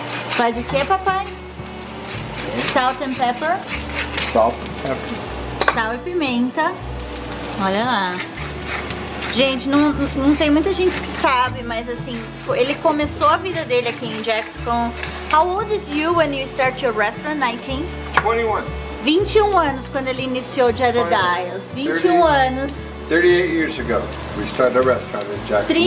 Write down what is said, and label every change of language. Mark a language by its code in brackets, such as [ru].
[pt] Faz o que, papai? [en] Salt and pepper. Salt and pepper. [pt] Sal e pimenta. Olha lá. Gente, não tem muita gente que sabe, mas assim, ele começou a vida dele aqui em Jackson com... [en] How old is you when you start your restaurant? 19? 21. [pt] 21 anos quando ele iniciou Jedediah's. 21 30, anos. [en] 38 years ago, we started a restaurant in Jackson.